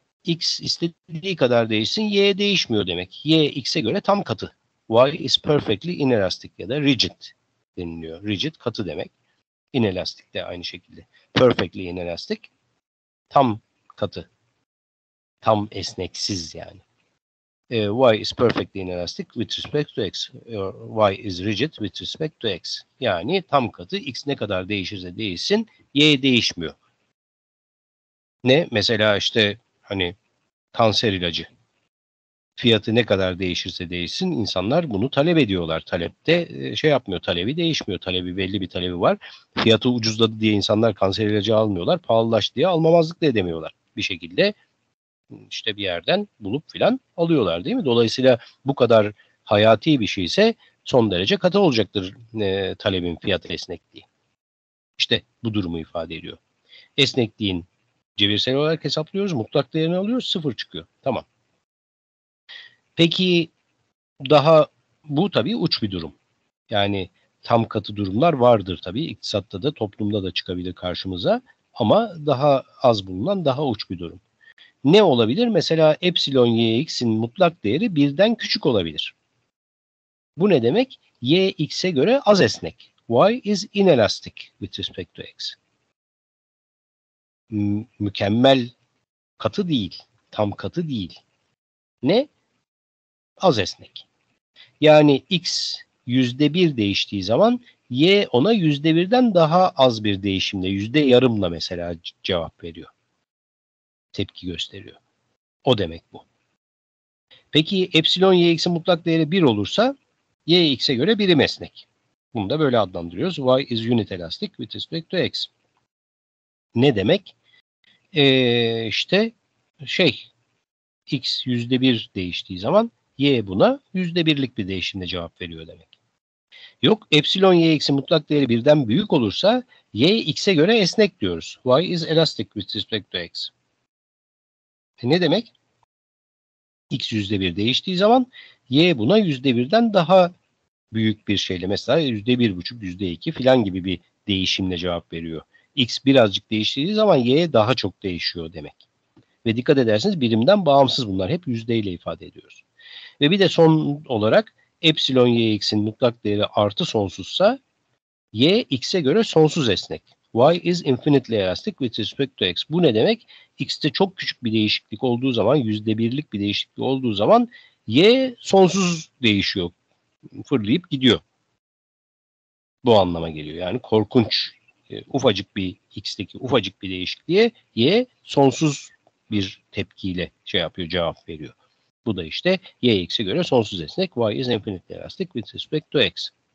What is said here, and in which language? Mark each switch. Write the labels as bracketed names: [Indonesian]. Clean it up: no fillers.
[Turkish] X istediği kadar değişsin, y değişmiyor demek. Y x'e göre tam katı. [English] Y is perfectly inelastic [Turkish] ya da rigid deniliyor. Rigid katı demek. İnelastik de aynı şekilde. Perfectly inelastic tam katı. Tam esneksiz yani. [English] Y is perfectly inelastic with respect to x. Y is rigid with respect to x. [Turkish] Yani tam katı. X ne kadar değişirse değişsin, y değişmiyor. Ne? Mesela işte hani kanser ilacı. Fiyatı ne kadar değişirse değişsin, insanlar bunu talep ediyorlar. Talepte şey yapmıyor, talebi değişmiyor. Talebi belli bir talebi var. Fiyatı ucuzladı diye insanlar kanser ilacı almıyorlar. Pahalılaştı diye almamazlık da edemiyorlar. Bir şekilde işte bir yerden bulup filan alıyorlar değil mi? Dolayısıyla bu kadar hayati bir şeyse son derece katı olacaktır talebin fiyat esnekliği. İşte bu durumu ifade ediyor. Esnekliğin cebirsel olarak hesaplıyoruz, mutlak değerini alıyoruz, sıfır çıkıyor. Tamam. Peki daha bu tabii uç bir durum. Yani tam katı durumlar vardır tabii. İktisatta da toplumda da çıkabilir karşımıza. Ama daha az bulunan daha uç bir durum. Ne olabilir? Mesela epsilon yx'in mutlak değeri birden küçük olabilir. Bu ne demek? Yx'e göre az esnek. [English] Y is inelastic with respect to x. [Turkish] Mükemmel katı değil. Tam katı değil. Ne? Az esnek. Yani x %1 değiştiği zaman y ona %1'den daha az bir değişimle, %0.5'la mesela cevap veriyor. Tepki gösteriyor. O demek bu. Peki epsilon yx'in mutlak değeri 1 olursa yx'e göre birim esnek. Bunu da böyle adlandırıyoruz. [English] Y is unit elastic with respect to x. [Turkish] Ne demek? İşte şey x %1 değiştiği zaman y buna %1'lik bir değişimle cevap veriyor demek. Yok epsilon yx'in mutlak değeri birden büyük olursa y x'e göre esnek diyoruz. [English] Y is elastic with respect to x. [Turkish] Ne demek? X %1 değiştiği zaman y buna %1'den daha büyük bir şeyle mesela %1,5, %2 falan gibi bir değişimle cevap veriyor. X birazcık değiştiği zaman y daha çok değişiyor demek. Ve dikkat ederseniz birimden bağımsız bunlar. Hep yüzdeyle ifade ediyoruz. Ve bir de son olarak epsilon yx'in mutlak değeri artı sonsuzsa y x'e göre sonsuz esnek. [English] Y is infinitely elastic with respect to x. [Turkish] Bu ne demek? X'te çok küçük bir değişiklik olduğu zaman, %1'lik bir değişiklik olduğu zaman y sonsuz değişiyor. Fırlayıp gidiyor. Bu anlama geliyor. Yani korkunç, ufacık bir x'teki ufacık bir değişikliğe y sonsuz bir tepkiyle şey yapıyor, cevap veriyor. Bu da işte y x'e göre sonsuz esnek. [English] Y is infinitely elastic with respect to x.